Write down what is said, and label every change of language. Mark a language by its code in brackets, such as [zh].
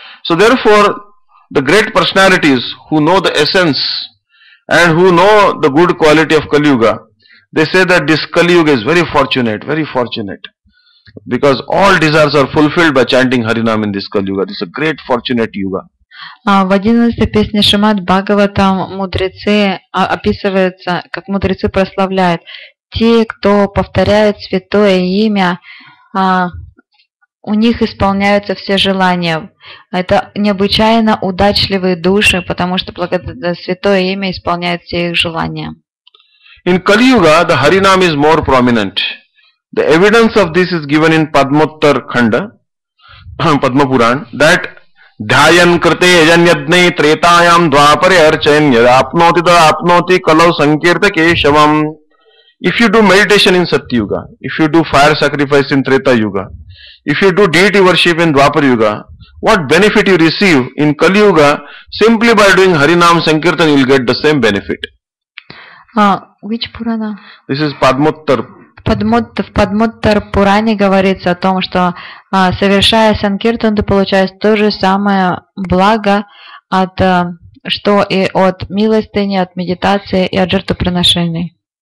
[en] So therefore, the great personalities who know the essence and who know the good quality of Kali Yuga, they say that this Kali Yuga is very fortunate. Because all desires are fulfilled by chanting Harinam in this Kali Yuga. This is a great fortunate Yuga. [ru] В 11-й песне Шримад Бхагаватам мудрецы описываются, как мудрецы прославляют. Те, кто повторяют святое имя, у них исполняются все желания. Это необычайно удачливые души, потому что благодаря святое имя исполняет все их желания. [en] In Kali Yuga, the Harinam is more prominent. The evidence of this is given in Padmottar Khanda, Padma Puran, that [sa] Dhyayan Krte Ajanyadne Tretayam Dvapare Archanya Apnoti Da Apnoti Kalav Sankirta Keshavam. [en] If you do meditation in Satya Yuga, if you do fire sacrifice in Treta Yuga, if you do deity worship in Dvapara Yuga, what benefit you receive in Kali Yuga, simply by doing Harinam Sankirtan, you will get the same benefit. Which Purana? This is Padmottar. [ru] В Падмоттар Пуране говорится о том, что совершая санкиртан, ты получаешь то же самое благо, от, что и от милостыни, от медитации и от жертвоприношений.